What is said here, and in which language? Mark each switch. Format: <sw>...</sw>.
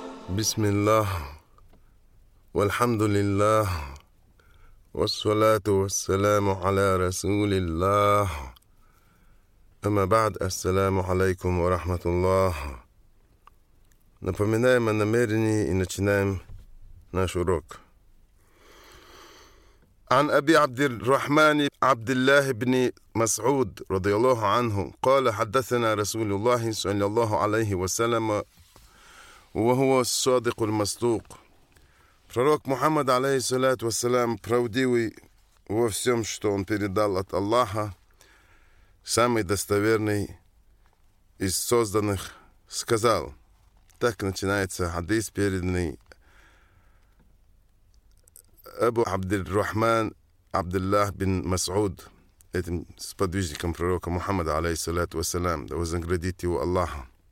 <ar>بسم الله والحمد لله والصلاة والسلام على رسول الله، أما بعد، السلام عليكم ورحمة الله.</ar> <ru>Напоминаем о намерении и начинаем наш урок.</ru> <ar>عن أبي عبد الرحمن عبد الله بن مسعود رضي الله عنه قال حدثنا رسول الله صلى الله عليه وسلم وهو الصادق المصدوق.</ar> <ru>Пророк Мухаммад, алейхиссалату вассалям, правдивый во всем, что он передал от Аллаха, самый достоверный из созданных, сказал. Так начинается хадис, переданный Абу Абдиль-Рахман Абдиллах бин Масуд, этим сподвижником пророка Мухаммада, алейхиссалату вассалям, да вознаградит его Аллаха.</ru>